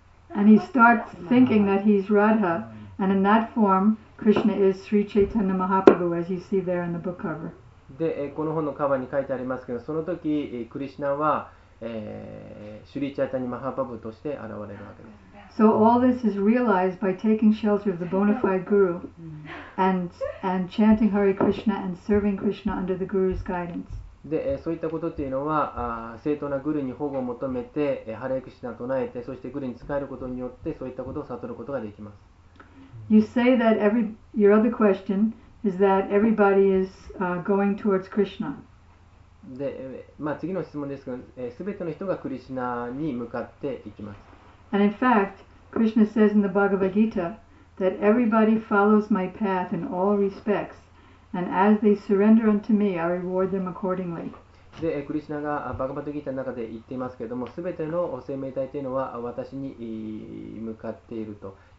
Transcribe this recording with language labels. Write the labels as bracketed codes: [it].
[en] And he starts thinking that he's Radha, and in that form, Krishna is Sri Chaitanya Mahaprabhu, as you see there in the book cover. [ja] で、この本のカバーに書いてありますけど、その時クリシナはシュリチャイタニマハプラブとして現れるわけです。 [en] So all this is realized by taking shelter of the bona fide guru and chanting Hare Krishna and serving Krishna under the guru's guidance. [ja] で、そういったことというのは、正当なグルに保護を求めて、ハレクシナを唱えて、そしてグルに仕えることによって、そういったことを悟ることができます。 [en] You say that your other question is that everybody is going towards Krishna. [ja] で、まあ、次の質問ですけど、すべての人がクリシナに向かっていきます。 [en] And in fact, Krishna says in the Bhagavad Gita that everybody follows my path in all respects, and as they surrender unto me, I reward them accordingly. [ja] で、クリシナがバガバッドギータの中で言っていますけれども、すべての生命体というのは私に向かっていると。